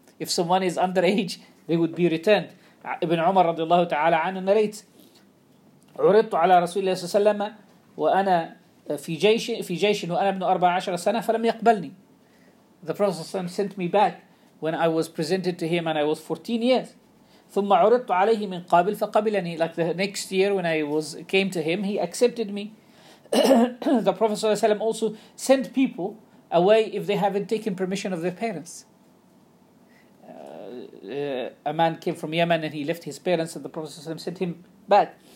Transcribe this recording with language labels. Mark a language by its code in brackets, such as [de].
[en] If someone is underage, they would be returned. Ibn Umar radiallahu ta'ala anhu narrates, [ar] عُرِضْتُ عَلَى رَسُولِ اللَّهِ سَلَّمَ وَأَنَا في جيش وأنا ابن 14 سنة فلم يقبلني. [en] The Prophet ﷺ sent me back when I was presented to him and I was 14 years. [ar] ثم عرضت عليه من قابل فقبلني. [en] Like the next year when I was came to him, he accepted me. The Prophet ﷺ also sent people away if they haven't taken permission of their parents. A man came from Yemen and he left his parents, and the Prophet ﷺ sent him back.